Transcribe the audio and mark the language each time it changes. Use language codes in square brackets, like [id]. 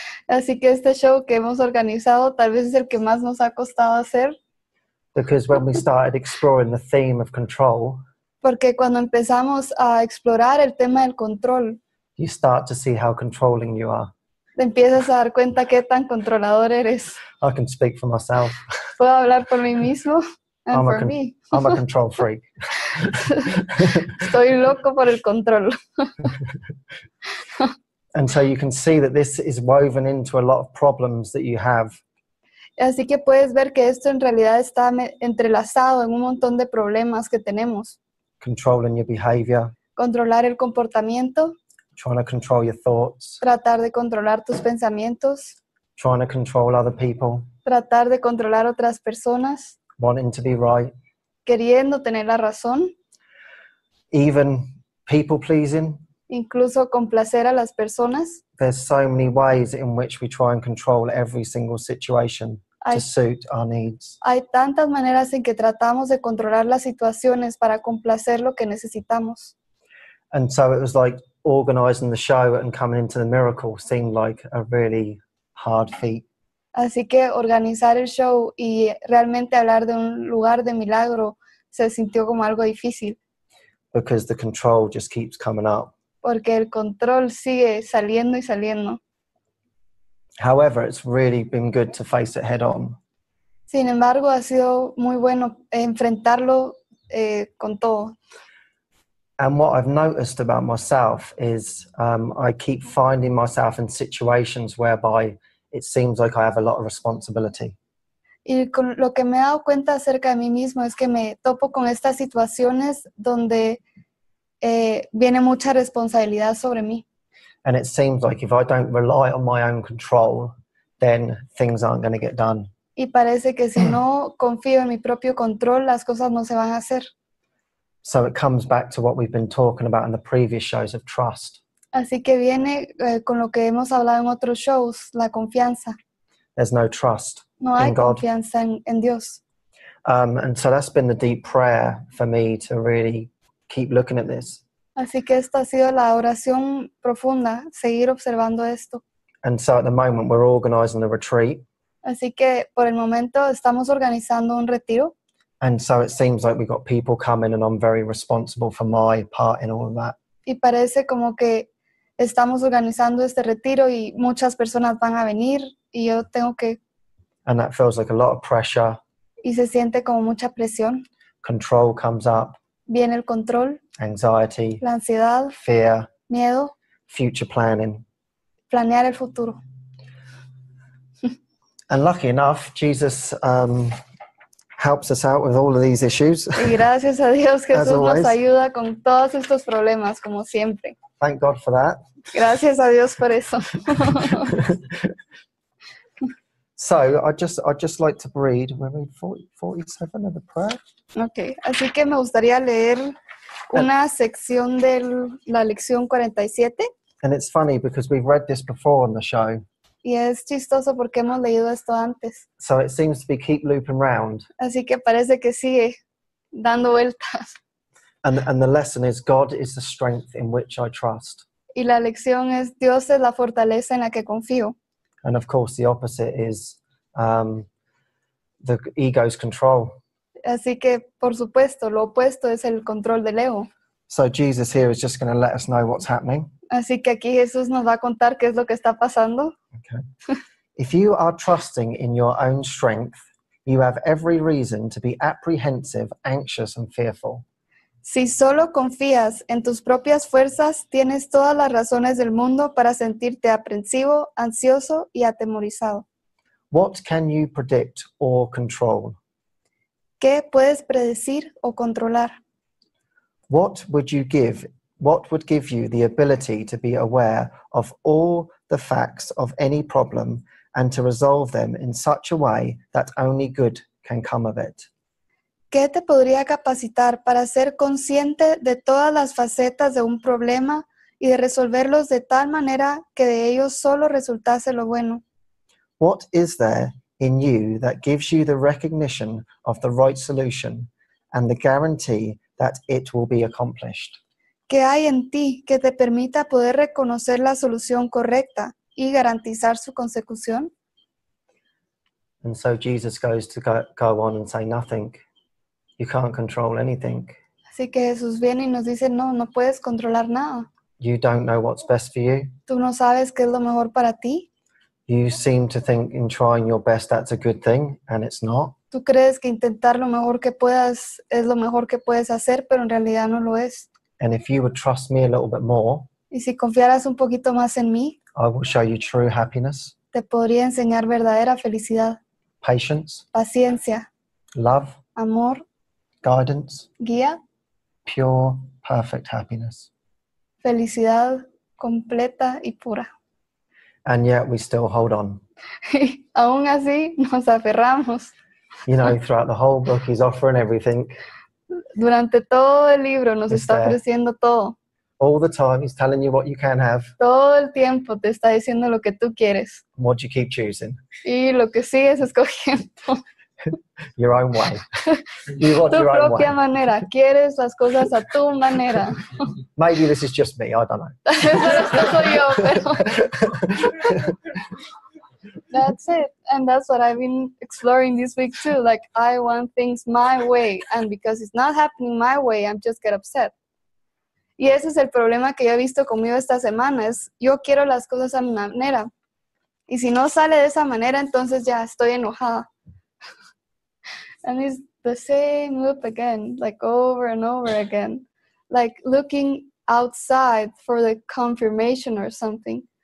[es] Así que este show que hemos organizado tal vez es el que más nos ha costado hacer. [en] Because when we started exploring the theme of control, [es] porque cuando empezamos a explorar el tema del control, [en] you start to see how controlling you are. [es] Te empiezas a dar cuenta qué tan controlador eres. [en] I can speak for myself. [es] Puedo hablar por mí mismo [en] and I'm for me. I'm a control freak. [es] Estoy loco por el control. [en] And so you can see that this is woven into a lot of problems that you have. [es] Así que puedes ver que esto en realidad está entrelazado en un montón de problemas que tenemos. [en] Controlling your behavior. [es] Controlar el comportamiento. [en] Trying to control your thoughts. [es] Tratar de controlar tus pensamientos. [en] Trying to control other people. [es] Tratar de controlar otras personas. [en] Wanting to be right. [es] Queriendo tener la razón. [en] Even people pleasing. [es] Incluso complacer a las personas. [en] There's so many ways in which we try and control every single situation to suit our needs. [es] Hay tantas maneras en que tratamos de controlar las situaciones para complacer lo que necesitamos. [en] And so it was like organizing the show and coming into the miracle seemed like a really hard feat. [es] Así que organizar el show y realmente hablar de un lugar de milagro se sintió como algo difícil. [en] Because the control just keeps coming up. [es] Porque el control sigue saliendo y saliendo. [en] However, it's really been good to face it head on. [es] Sin embargo, ha sido muy bueno enfrentarlo con todo. [en] And what I've noticed about myself is I keep finding myself in situations whereby it seems like I have a lot of responsibility. [es] Y con lo que me he dado cuenta acerca de mí mismo es que me topo con estas situaciones donde viene mucha responsabilidad sobre mí. [en] And it seems like if I don't rely on my own control, then things aren't going to get done. [es] Y parece que si no confío en mi propio control, las cosas no se van a hacer. [en] So it comes back to what we've been talking about in the previous shows of trust. [es] Así que viene con lo que hemos hablado en otros shows, la confianza. [en] There's no trust in God. [es] No hay confianza en Dios. [en] And so that's been the deep prayer for me to really keep looking at this. [es] Así que esta ha sido la oración profunda, seguir observando esto. [en] And so at the moment we're organizing the retreat. [es] Así que por el momento estamos organizando un retiro. [en] And so it seems like we've got people coming and I'm very responsible for my part in all of that. [es] Y parece como que estamos organizando este retiro y muchas personas van a venir y yo tengo que... [en] And that feels like a lot of pressure. [es] Y se siente como mucha presión. [en] Control comes up. [es] Viene el control, [en] anxiety, [es] la ansiedad, [en] fear, [es] miedo, [en] future planning, [es] planear el futuro. [en] And lucky enough, Jesus helps us out with all of these issues. [es] Y gracias a Dios, Jesús nos ayuda con todos estos problemas, como siempre. [en] Thank God for that. [es] Gracias a Dios por eso. [en] So I just like to read. We read 47 of the prayer. [es] Okay, así que me gustaría leer una sección de la lección 47. [en] And it's funny because we've read this before on the show. [es] Y es chistoso porque hemos leído esto antes. [en] So it seems to be keep looping round. [es] Así que parece que sigue dando vueltas. [en] And the lesson is God is the strength in which I trust. [es] Y la lección es Dios es la fortaleza en la que confío. [en] And of course, the opposite is the ego's control. [es] Así que, por supuesto, lo opuesto es el control del ego. [en] So Jesus here is just going to let us know what's happening. [es] Así que aquí Jesús nos va a contar qué es lo que está pasando. [en] Okay. If you are trusting in your own strength, You have every reason to be apprehensive, anxious, and fearful. [es] Si solo confías en tus propias fuerzas, tienes todas las razones del mundo para sentirte aprensivo, ansioso y atemorizado. [en] What can you predict or control? [es] ¿Qué puedes predecir o controlar? [en] What would give you the ability to be aware of all the facts of any problem and to resolve them in such a way that only good can come of it? [es] ¿Qué te podría capacitar para ser consciente de todas las facetas de un problema y de resolverlos de tal manera que de ellos solo resultase lo bueno? [en] What is there in you that gives you the recognition of the right solution and the guarantee that it will be accomplished? [es] ¿Qué hay en ti que te permita poder reconocer la solución correcta y garantizar su consecución? [en] And so Jesus goes to go on and say nothing. You can't control anything. [es] Así que Jesús viene y nos dice, no puedes controlar nada. [en] You don't know what's best for you. [es] Tú no sabes qué es lo mejor para ti. [en] You seem to think in trying your best that's a good thing, and it's not. [es] Tú crees que intentar lo mejor que puedas es lo mejor que puedes hacer, pero en realidad no lo es. [en] And if you would trust me a little bit more, [es] y si confiaras un poquito más en mí, [en] I will show you true happiness. [es] Te podría enseñar verdadera felicidad. [en] Patience. [es] Paciencia. [en] Love. [es] Amor. [en] Guidance. [es] Guía. [en] Pure, perfect happiness. [es] Felicidad completa y pura. [en] And yet we still hold on. [es] Aún así, nos aferramos. [en] You know, throughout the whole book, he's offering everything. [es] Durante todo el libro, nos está ofreciendo todo. [en] All the time, he's telling you what you can have. [es] Todo el tiempo, te está diciendo lo que tú quieres. [en] And what you keep choosing. [es] Y lo que sigues escogiendo. [en] Your own way. You want [es] tu [en] your [es] propia [en] own way. [es] Manera. Quieres las cosas a tu manera. [en] Maybe this is just me. I don't know. [es] Eso soy yo, pero... [en] That's it. And that's what I've been exploring this week too. Like, I want things my way. And because it's not happening my way, I'm just get upset. [es] Y ese es el problema que yo he visto conmigo esta semana. Es, yo quiero las cosas a mi manera. Y si no sale de esa manera, entonces ya estoy enojada. [en] And it's the same loop again, like over and over again. Like looking outside for the confirmation or something.